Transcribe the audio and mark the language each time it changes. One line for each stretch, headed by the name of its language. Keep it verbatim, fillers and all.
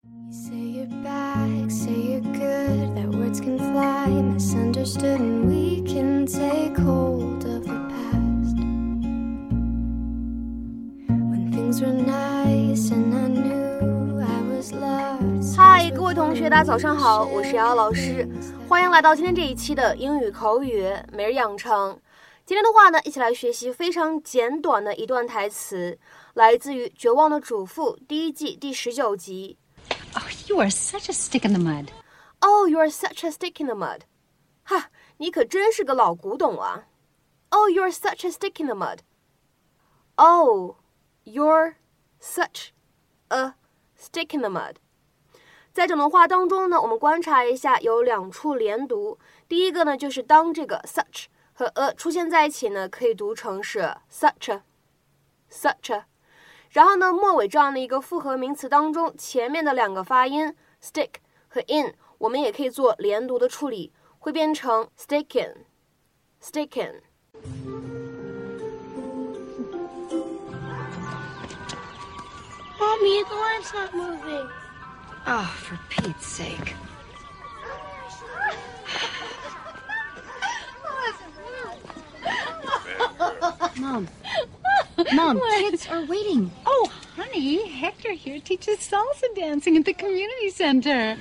English: back, say you're good, that words can fly, misunderstood, and we can take hold of the past. When things were nice and I knew I was lost.
Chinese: 嗨，各位同学，大家早上好，我是瑶瑶老师，欢迎来到今天这一期的英语口语每日养成。今天的话呢，一起来学习非常简短的一段台词，来自于《绝望的主妇》第一季第十九集。
English: Oh, you are such a stick in the mud. Oh, you are such a stick in the mud.
Chinese: 哈，你可真是个老古董啊。
English: Oh, you are such a stick in the mud. Oh, you're such a stick in the mud.
Chinese: 在整段话当中呢，我们观察一下，有两处连读。第一个呢，就是当这个 such。和 a 出现在一起呢，可以读成是
English: such a, such a。
Chinese: 然后呢，末尾这样的一个复合名词当中，前面的两个发音 stick 和 in， 我们也可以做连读的处理，会变成 stickin, stickin。
English: Mommy, the line's not moving. Oh, for Pete's sake. Mom, Mom, kids are waiting. Oh, honey, Hector here teaches salsa dancing at the community center.